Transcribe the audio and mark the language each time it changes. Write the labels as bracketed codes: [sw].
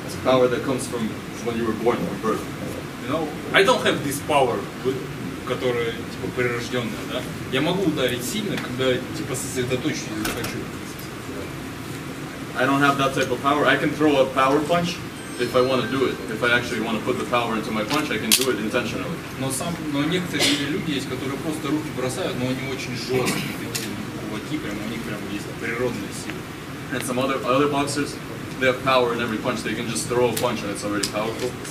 [en] Power that comes from when you were born, from birth. You know, I don't have this power, [ru] которая типа прирожденная, да? Я могу ударить сильно, когда типа сосредоточусь и захочу. [en] I don't have that type of power. I can throw a power punch if I want to do it. If I actually want to put the power into my punch, I can do it intentionally. [ru] Но некоторые люди есть, которые просто руки бросают, но они очень жесткие, такие кулаки, прям у них прям есть природная сила. [en] And some other boxers, they have power in every punch. They can just throw a punch and it's already powerful.